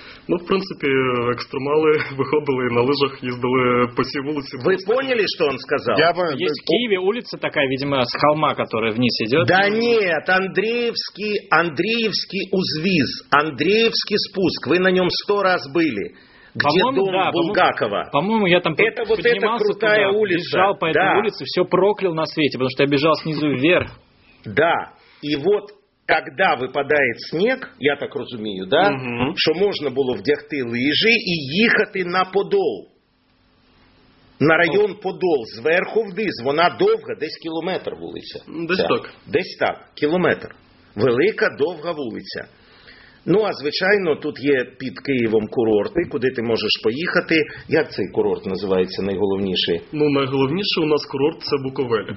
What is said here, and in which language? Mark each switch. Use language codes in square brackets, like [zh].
[uk] Ну, в принципі, екстремали виходили на лижах, їздили по цій вулиці. Ви поняли, що він сказав? Є в Києві вулиця така, видимо, з холма, яка вниз йде. Да нет, Андріївський узвіз, Андріївський спуск, ви на ньому 100 раз були. [ru] Где дом, да, Булгакова? По-моему, я там это поднимался вот крутая туда, улица. Бежал по этой улице, все проклял на свете, потому что я бежал снизу вверх. Да, и вот... Когда випадает снег, [uk] я так розумію, [ru] да? Угу. [uk] Що можна було вдягти лижі і їхати на Подол. На район Подол, зверху вниз. Вона довга, десь кілометр вулиця. Десь так, кілометр. Велика, довга вулиця. Ну, а звичайно, тут є під Києвом курорти, куди ти можеш поїхати. Як цей курорт називається найголовніший? Ну, найголовніший у нас курорт – це Буковель.